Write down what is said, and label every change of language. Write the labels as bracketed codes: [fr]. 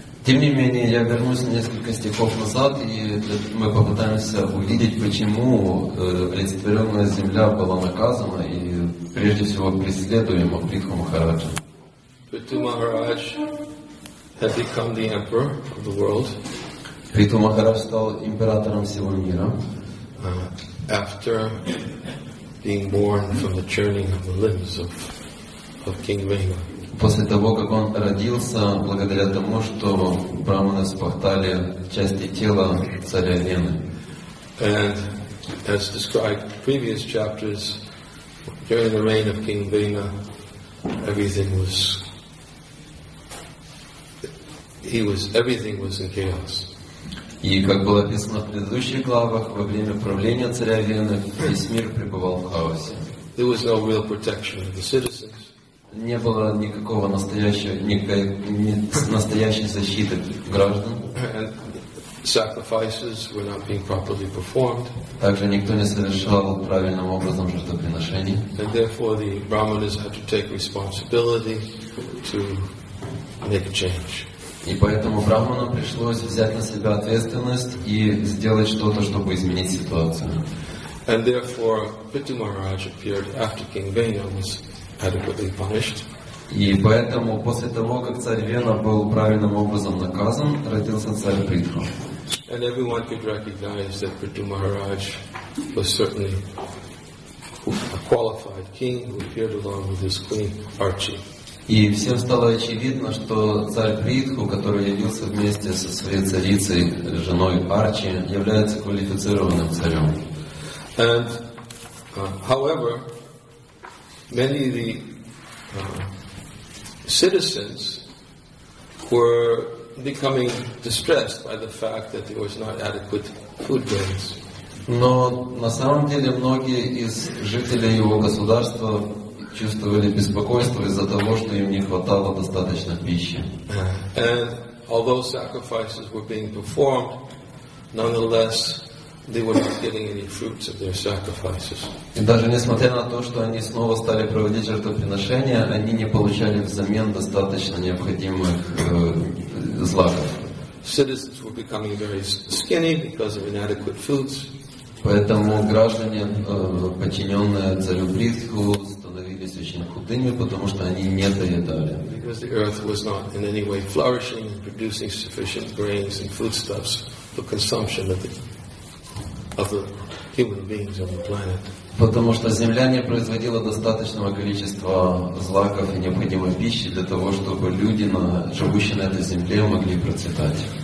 [ru] Тем не менее, я вернусь несколько стихов назад, и мы попытаемся увидеть, почему олицетворенная земля была наказана и, прежде всего, преследуема Притху Махараджа. [en] Притху Махарадж had become the emperor of the world. [ru] Притху Махарадж стал императором всего мира. [en] After being born from the churning of the limbs of King Vena. [ru] После того, как он родился, благодаря тому, что брахманы спахтали части тела царя Вены. [en] And as described in previous chapters, during the reign of King Bhima, everything was in chaos. [ru] И как было описано в предыдущих главах, во время правления царя Вены весь мир пребывал в хаосе. [en] There was no real protection of the citizens. [ru] Не было никакого настоящей защиты граждан. [en] And sacrifices were not being properly performed. [ru] Также никто не совершал правильным образом жертвоприношений. [en] And therefore the brahmanas had to take responsibility to make a change. [ru] И поэтому брахманам пришлось взять на себя ответственность и сделать что-то, чтобы изменить ситуацию. [en] And therefore Pitu Maharaj appeared after King Vena was adequately punished. [ru] И поэтому после того, как царь Вена был правильным образом наказан, родился царь Притху. [en] And everyone could recognize that Pitu Maharaj was certainly a qualified king who appeared along with his queen Archie. [ru] И всем стало очевидно, что царь Притху, который явился вместе со своей царицей, женой Арчи, является квалифицированным царем. [en] And, however, many of the citizens were becoming distressed by the fact that there was not adequate food grains. [ru] Но на самом деле многие из жителей его государства чувствовали беспокойство из-за того, что им не хватало достаточно пищи. [en] And although sacrifices were being performed, nonetheless, they were not getting any fruits of their sacrifices. [ru] И даже несмотря на то, что они снова стали проводить жертвоприношения, они не получали взамен достаточно необходимых злаков. [en] Citizens were becoming very skinny because of inadequate foods. [ru] Поэтому граждане, подчиненные царю Притху, очень худыми, потому что они не доедали. [en] Because the earth was not in any way flourishing and producing sufficient grains and foodstuffs for consumption of the human beings on the planet. [ru] Потому что земля не производила достаточного количества злаков и необходимой пищи для того, чтобы люди, живущие на этой земле, могли процветать.